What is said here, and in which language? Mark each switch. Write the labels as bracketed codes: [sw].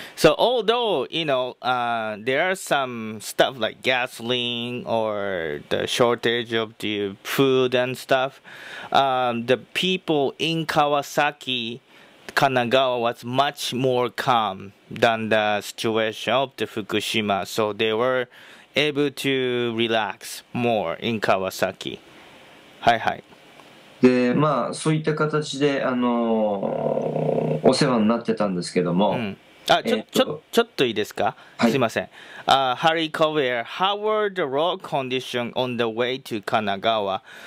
[en] So although, you know, there are some stuff like gasoline or the shortage of the food and stuff, the people in Kawasaki, Kanagawa was much more calm than the situation of the Fukushima, so they were able to relax more in Kawasaki. [ja] はいはい。で、まあそういった形でお世話になってたんですけども。うん、あ、ちょっといいですか。はい、すいません。 [en] Harry Kovir, how were the road condition on the way to Kanagawa?